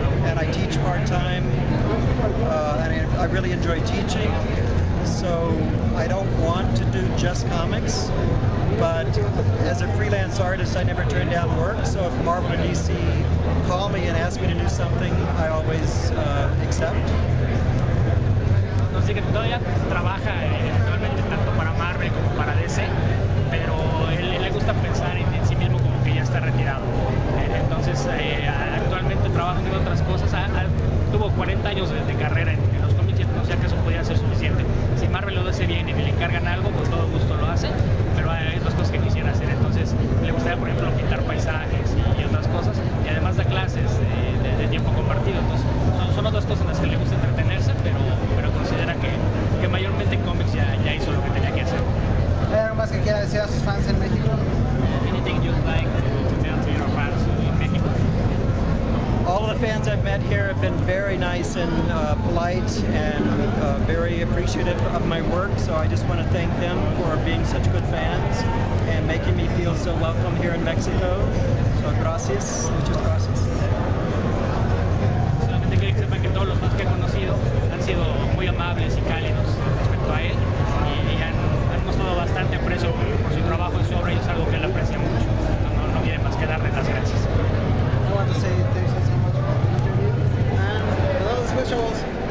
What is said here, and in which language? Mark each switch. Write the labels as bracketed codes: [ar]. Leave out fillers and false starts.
[en] And I teach part-time, and I really enjoy teaching. So I don't want to do just comics, but as a freelance artist, I never turn down work. So if Marvel and DC call me and ask me to do something, I always accept. [es] Así que todavía trabaja actualmente tanto para Marvel como para DC, pero él le gusta pensar en sí mismo como que ya está retirado. Entonces actualmente trabaja en otras cosas. Tuvo 40 años de carrera en los cómics, o sea que eso podía ser suficiente. Si Marvel lo hace bien y le encargan algo, con todo gusto lo hace, pero hay otras cosas que quisiera hacer. Entonces le gustaría, por ejemplo, pintar paisajes y otras cosas, y además da clases de tiempo compartido. Entonces son otras cosas en las que le gusta entretenerse, pero considera que mayormente en cómics ya hizo lo que tenía que hacer. ¿Hay algo más que quiera decir a sus fans en México? [en] Anything you'd like to tell to your fans? All the fans I've met here have been very nice and polite and very appreciative of my work, so I just want to thank them for being such good fans and making me feel so welcome here in Mexico. [es] So gracias, muchas gracias. Solamente quería que sepan que todos los fans que he conocido han sido muy amables y cálidos respecto a él y han mostrado bastante aprecio por su trabajo y su obra, y es algo que él aprecia mucho. No viene más que darle las gracias. [en] I want to say thanks so much for the interview. And for those visuals.